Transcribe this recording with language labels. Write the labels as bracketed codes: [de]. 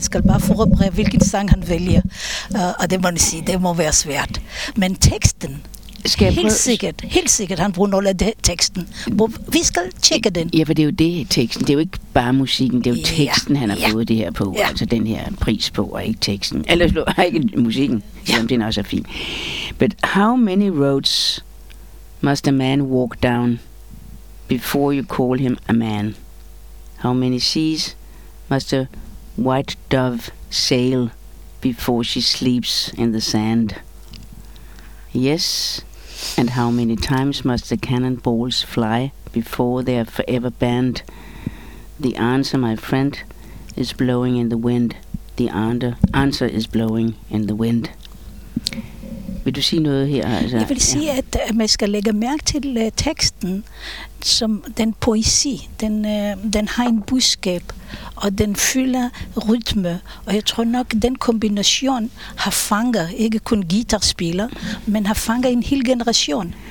[da] skal bare forberede, hvilken sang han vælger, og det må man sige, det må være svært. Men teksten... Helt sikkert, han bruger noget af det, teksten. Vi skal tjekke den. Ja, for det er jo det, teksten. Det er jo ikke bare musikken, det er jo teksten, han har fået det her på. Ja. Altså den her pris på, og ikke teksten. Eller ikke musikken, selvom den også er fin. [en] But how many roads must a man walk down before you call him a man? How many seas must a white dove sail before she sleeps in the sand? Yes, and how many times must the cannonballs fly before they are forever banned? The answer, my friend, is blowing in the wind. The answer is blowing in the wind. [da] Vil du sige noget her? Altså, jeg vil sige, ja, at man skal lægge mærke til teksten, som den poesi, den har en budskab, og den fylder rytme, og jeg tror nok, den kombination har fanget, ikke kun guitarspiller, men har fanget en hel generation.